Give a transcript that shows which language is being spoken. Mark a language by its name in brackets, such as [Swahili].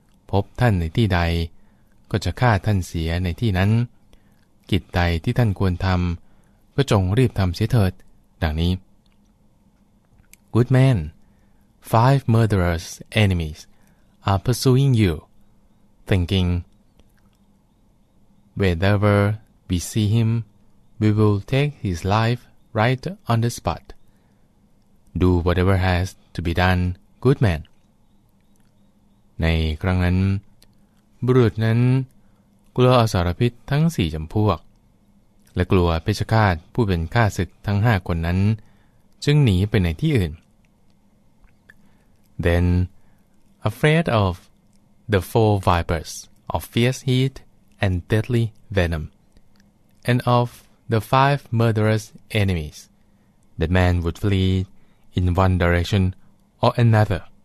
[Thai] พบท่านในที่ใดก็จะฆ่าท่านเสียในที่นั้นกิจใดที่ท่านควรทำก็จงรีบทำเสียเถิดดังนี้ [English] Good man, five murderous enemies are pursuing you, thinking, Wherever we see him, we will take his life right on the spot. Do whatever has to be done, good man. [Thai] ในครั้งนั้นบุรุษนั้นกลัวอสรพิษทั้งสี่จำพวกและกลัวเพชฌฆาตผู้เป็นข้าศึกทั้งห้าคนนั้นจึงหนีไปในที่อื่น [English] Then, afraid of the four vipers of fierce heat and deadly venom, and of the five murderous enemies, the man would flee in one direction or another.